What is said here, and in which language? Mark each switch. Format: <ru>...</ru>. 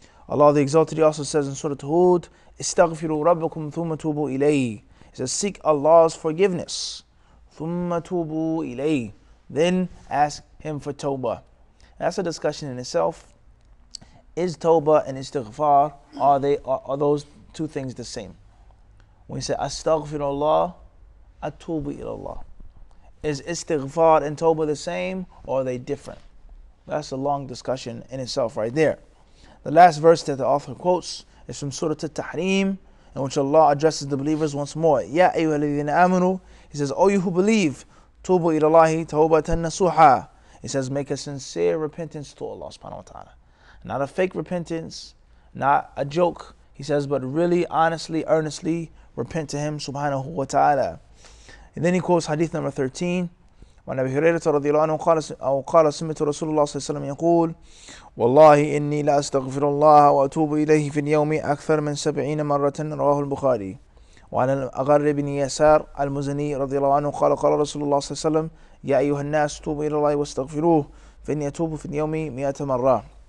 <en>Allah the Exalted, he also says in Surah Hud,</en> <ar>استغفروا ربكم ثم توبوا إليه.</ar> <en>He says, seek Allah's forgiveness.</en> <ar>ثم توبوا إليه.</ar> <en>Then ask him for tawbah. That's a discussion in itself. Is tawbah and istighfar, are those two things the same? When you say,</en> <ar>استغفر الله, أتوب إلى الله.</ar> <en>Is istighfar and tawbah the same, or are they different? That's a long discussion in itself right there. The last verse that the author quotes, it's from Surah At-Tahrim, in which Allah addresses the believers once more.</en> <ar>Ya ayyuha alladhina amanu,</ar> <en>he says, O you who believe,</en> <ar>tubu ila Allahi tawbatan nasuha.</ar> <en>He says, make a sincere repentance to Allah</en> <ar>subhanahu wa ta'ala.</ar> <en>Not a fake repentance, not a joke. He says, but really, honestly, earnestly, repent to him</en> <ar>subhanahu wa ta'ala.</ar> <en>And then he quotes hadith number 13.</en> <ar>وعن أبي هريرة رضي الله عنه قال أو قال سمعت رسول الله صلى الله عليه وسلم يقول والله إني لا أستغفر الله وأتوب إليه في اليوم أكثر من 70 مرة رواه البخاري وعن الأغر بن يسار المزني رضي الله عنه قال قال رسول الله صلى الله عليه وسلم يا أيها الناس توبوا إلى الله واستغفروه فإني أتوب في اليوم 100 مرة</ar>